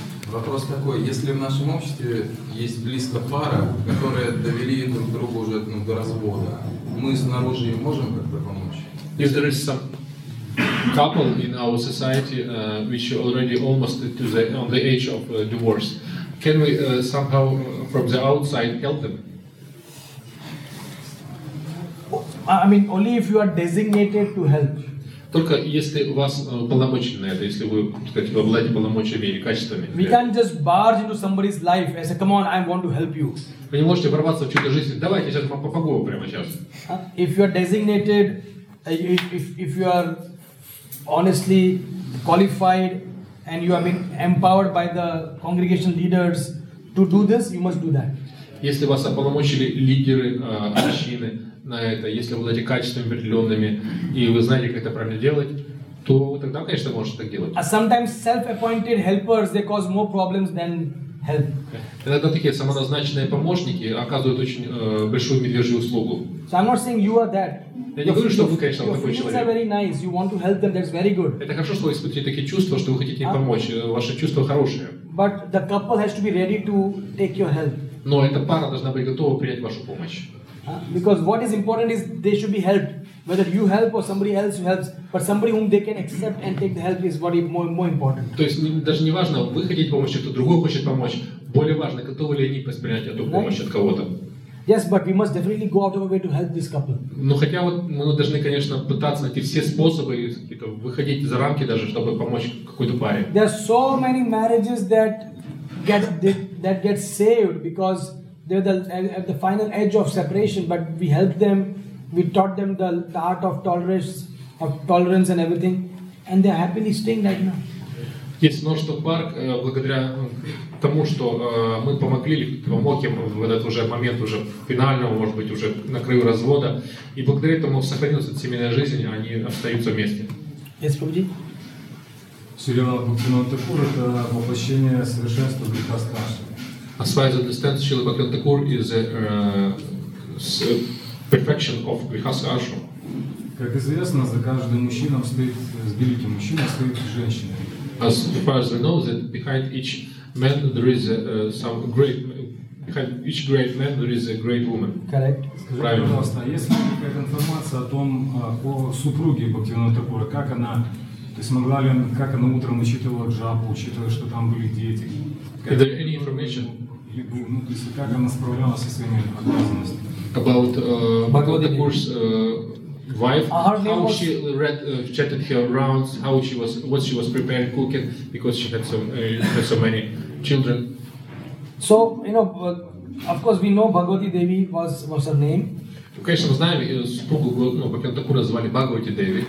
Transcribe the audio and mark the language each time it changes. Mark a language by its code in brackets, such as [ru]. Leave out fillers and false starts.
[ru] Вопрос такой, если в нашем обществе есть близко пара, которые довели друг друга уже ну, до развода, мы снаружи им можем как-то помочь? [en] If there is some couple in our society, which already almost to the, on the age of divorce, can we somehow from the outside help them? I mean, only if you are designated to help. [ru] Только если у вас полномочия на это, если вы, так сказать, обладаете полномочиями или качествами. [en] We can't just barge into somebody's life and say, come on, I want to help you. [ru] Вы не можете ворваться в чью-то жизнь. Давайте, я сейчас помогу вам прямо сейчас. [en] If you are designated, if you are honestly qualified and you have been empowered by the congregation leaders to do this, you must do that. [ru] Если вас ополномочили лидеры общины, на это, если обладаете качествами определенными и вы знаете, как это правильно делать, то тогда, конечно, можете так делать. [en] А sometimes self-appointed helpers they cause more problems than help. [ru] Иногда такие самоназначенные помощники оказывают очень большую медвежью услугу. [en] So I'm not saying you are that. [ru] Я не говорю, что вы, конечно, такой человек. [en] Your feelings are very nice. You want to help them. That's very good. [ru] Это хорошо, что вы испытываете такие чувства, что вы хотите им помочь. Ваши чувства хорошие. [en] But the couple has to be ready to take your help. [ru] Но эта пара должна быть готова принять вашу помощь. [en] Because what is important is they should be helped, whether you help or somebody else helps, but somebody whom they can accept and take the help is what is more important. [ru] То есть даже не важно, вы хотите помочь, кто другой хочет помочь. Более важно, готовы ли они воспринять эту помощь от кого-то. [en] Yes, but we must definitely go out of our way to help this couple. [ru] Но хотя вот мы должны, конечно, пытаться найти все способы и какие-то выходить за рамки даже, чтобы помочь какой-то паре. [en] There are so many marriages that get saved because they're at the final edge of separation, but we helped them, we taught them the art of tolerance and everything, and they're happily staying right now. [ru] Есть множество пар, благодаря тому, что мы помог им в этот уже момент уже финального, может быть, уже на краю развода, и благодаря этому сохранилась эта семейная жизнь, они остаются вместе. [en] Yes, Prabhuji. [ru] Сурьяна Бхактинанда Такур – это воплощение совершенства Грихастха Ашрама. [en] As far as I understand, Srila Bhaktivinoda Thakur is a perfection of Grihastha Ashram. [ru] Как известно, за каждым мужчиной стоит, с великим мужчиной стоит женщина. [en] As far as I know, that behind each man there is some great, behind each great man there is a great woman. Correct. [ru] Скажите, пожалуйста, есть ли какая-то информация о том, о супруге Бхактивинода Такура, как она, то есть могла ли, как она утром учитывала джапу, учитывая, что там были дети? [en] Is there any information about Bhagavad Gita's wife? How she chatted her rounds? How she was, what she was preparing, cooking, because she had so many children. So you know, of course, we know Bhagavati Devi was her name. [ru] Конечно, мы знаем, супругу Бхагавати Такура звали Бхагавати Деви.